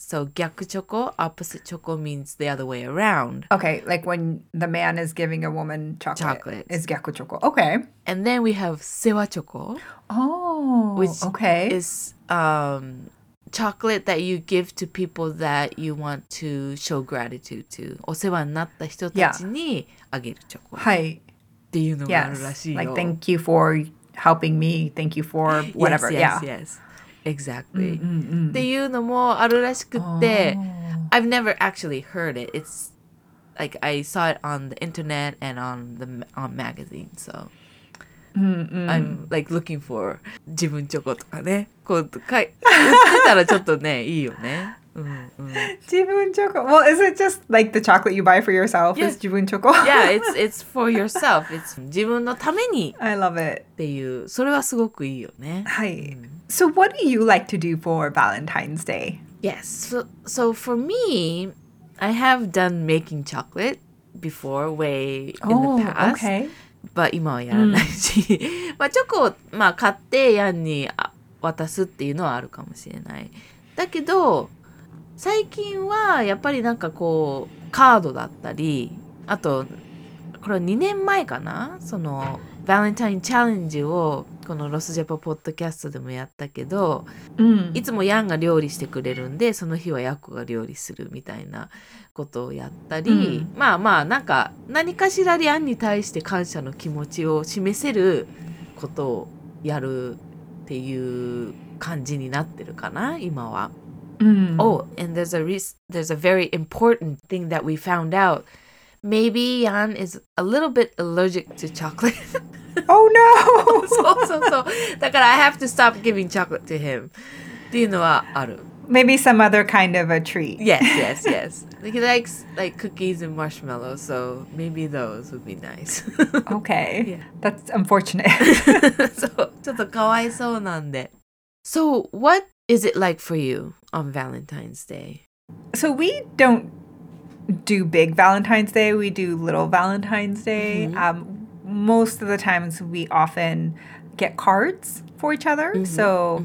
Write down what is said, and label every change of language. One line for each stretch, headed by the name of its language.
English: So 逆チョコ, opposite チョコ means the other way around. Okay. Like when the man is giving a woman chocolate. Is 逆チョコ.Okay. And then we have 世話チョコ. Oh. Which okay. is... Chocolate that you give to people that you want to show gratitude to.
Japanese: お世話になった人たちにあげるチョコ。はい。っていうのがあるらしいよ。
English: Like, thank you for helping me. Thank you for whatever. Yes, yes, yes. Exactly.
Japanese: っていうのもあるらしくって。
English: I've never actually heard it. It's like I saw it on the internet and on magazine, so... Mm-hmm. I'm like looking for 自分チョコとかね。
Japanese: こう、売ってたらちょっとね、いいよね。自分チョコ。
English: Well, is it just like the chocolate you buy for yourself? Yeah. Is 自分チョコ? Yeah, it's for yourself. It's
Japanese: 自分のために。
English: I love it.
Japanese: っていう、それはすごくいいよね。はい。
English: So what do you like to do for Valentine's Day? Yes. So for me, I have done making chocolate before way in the past. Oh, okay.
Japanese: まあ、今はやらないし、うん、まあチョコを、まあ、買ってヤンに渡すっていうのはあるかもしれない。だけど最近はやっぱりなんかこうカードだったり、あとこれは2年前かな、そのバレンタインチャレンジをこのロスジャパポッドキャストでもやったけど、うん、いつもヤンが料理してくれるんで、その日はヤコが料理するみたいなことをやったり、うん、まあまあなんか何かしらヤンに対して感謝の気持ちを示せることをやるっていう感じになってるかな今は、うん、
English: Oh, and there's a very important thing that we found outMaybe Yan is a little bit allergic to chocolate. Oh no! So. That's why I have to stop giving chocolate to him.
Japanese: っていうのはある。
English: Maybe some other kind of a treat. Yes. He likes like cookies and marshmallows, so maybe those would be nice. Okay. Yeah. That's unfortunate.
Japanese: So, ちょっとかわいそうなんで。
English: So, what is it like for you on Valentine's Day? So, we don't... do big Valentine's Day, we do little Valentine's Day. Mm-hmm. Most of the times we often get cards for each other. Mm-hmm. So mm-hmm.